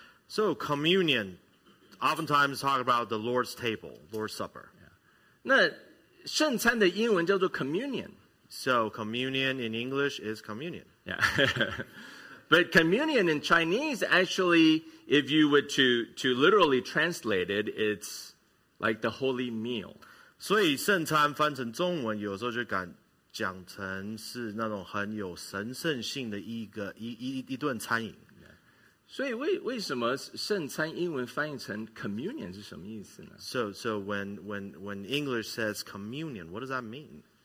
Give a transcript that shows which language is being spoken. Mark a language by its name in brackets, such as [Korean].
[English] So communion, oftentimes talk about the Lord's table, Lord's Supper. Yeah. [Chinese] 那圣餐的英文叫做 communion. [English] So communion in English is communion. Yeah. But communion in Chinese, actually, if you were to literally translate it, it's like the holy meal. [Chinese] 所以圣餐翻成中文有时候就感 讲成是那种很有神圣性的一顿餐饮。所以为什么圣餐英文翻译成communion是什么意思呢? [English] So when English says communion, what does that mean?